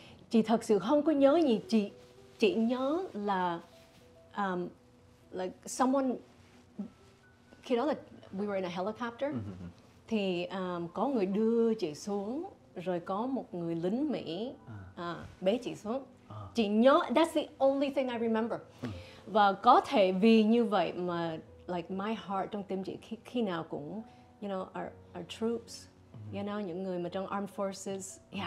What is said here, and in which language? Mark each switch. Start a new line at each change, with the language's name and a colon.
Vietnamese: Chị thật sự không có nhớ gì, chị nhớ là
English: like someone,
Vietnamese: khi đó là
English: we were in a helicopter,
Vietnamese: thì có người đưa chị xuống, rồi có một người lính Mỹ bế chị xuống. Chị nhớ,
English: that's the only thing I remember.
Vietnamese: Và có thể vì như vậy mà
English: like my heart
Vietnamese: trong tim chị khi nào cũng
English: you know our troops, you know,
Vietnamese: những người mà trong
English: armed forces.